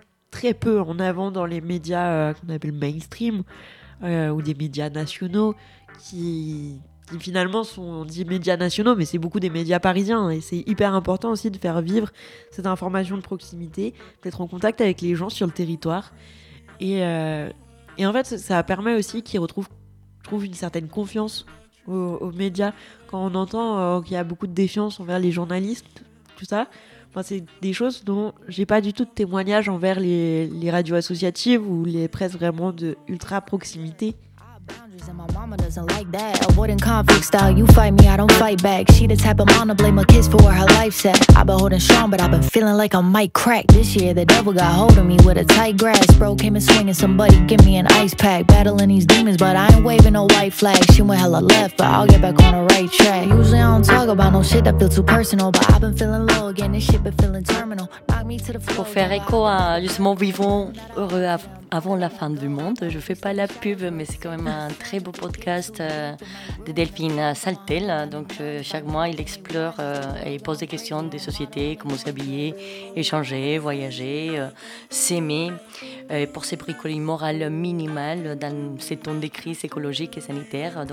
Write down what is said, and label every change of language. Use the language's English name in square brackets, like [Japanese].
[French] très peu en avant dans les médias qu'on appelle mainstream ou des médias nationaux qui finalement sont, on dit médias nationaux, mais c'est beaucoup des médias parisiens, et c'est hyper important aussi de faire vivre cette information de proximité, d'être en contact avec les gens sur le territoire, et en fait ça permet aussi qu'ils retrouvent une certaine confiance aux médias. Quand on entend qu'il y a beaucoup de défiance envers les journalistes, tout ça, enfin, c'est des choses dont j'ai pas du tout de témoignage envers les radios associatives ou les presses vraiment de ultra proximité. [English] And my mama doesn't like that. Avoiding conflict style, you fight me, I don't fight back. She the type of mom to blame her kids for her life set. I've been holding strong, but I've been feeling like I might crack. This year, the devil got hold of me with a tight grasp. Bro came in swinging, somebody give me an ice pack. Battling these demons, but I ain't waving no white flag. She went hella left, but I'll get back on the right track. Usually I don't talk about no shit that feels too personal, but I've been feeling low again, this shit been feeling terminal. Knock me to the floor. [French] Pour faire écho à justement vivons heureux avant la fin du monde, je fais pas la pub, mais c'est quand même un très beau podcast de Delphine Saltel. Donc chaque mois, il explore et pose des questions des sociétés, comment s'habiller, échanger, voyager, s'aimer, pour ses bricolines morales minimales dans ces temps de crise écologique et sanitaire.